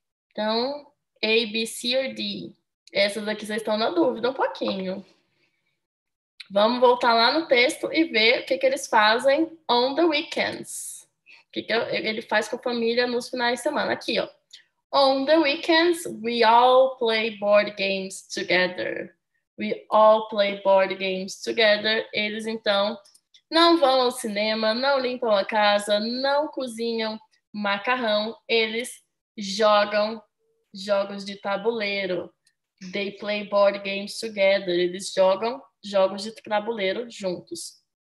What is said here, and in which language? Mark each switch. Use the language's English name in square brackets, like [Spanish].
[Portuguese] Então, A, B, C ou D? Essas aqui vocês estão na dúvida um pouquinho. Vamos voltar lá no texto e ver o que, que eles fazem [English] on the weekends. [Portuguese] O que, que ele faz com a família nos finais de semana. Aqui, ó. [English] On the weekends, we all play board games together. We all play board games together. [Portuguese] Eles, então, não vão ao cinema, não limpam a casa, não cozinham macarrão. Eles jogam jogos de tabuleiro. [English] They play board games together. [Portuguese] Eles jogam jogos de tabuleiro juntos.